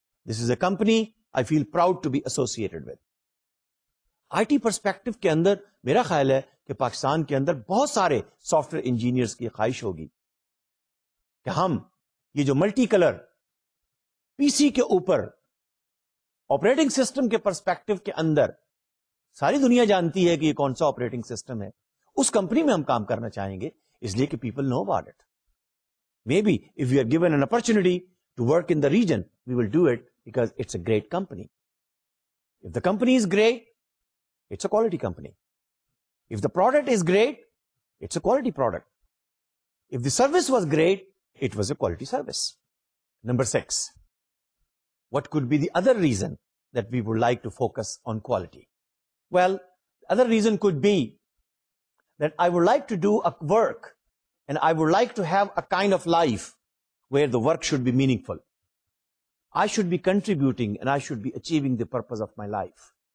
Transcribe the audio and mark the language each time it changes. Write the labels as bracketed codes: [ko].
[en] This is a company I feel proud to be associated with. [ur] I T perspective کے اندر میرا خیال ہے کہ پاکستان کے اندر بہت سارے سافٹ ویئر انجینئرس کی خواہش ہوگی کہ ہم یہ جو ملٹی کلر پی سی کے اوپر آپریٹنگ سسٹم کے پرسپیکٹو کے اندر ساری دنیا جانتی ہے کہ یہ کون سا آپریٹنگ سسٹم ہے, اس کمپنی میں ہم کام کرنا چاہیں گے. اس لیے کہ [en] People know about it. Maybe if you are given an opportunity to work in the region we will do it because it's a great company. If the company is great it's a quality company. If the product is great it's a quality product. If the service was great it was a quality service. Number six, what could be the other reason that we would like to focus on quality. Well, the other reason could be that I would like to do a work and I would like to have a kind of life where the work should be meaningful. I should be contributing and I should be achieving the purpose of my life.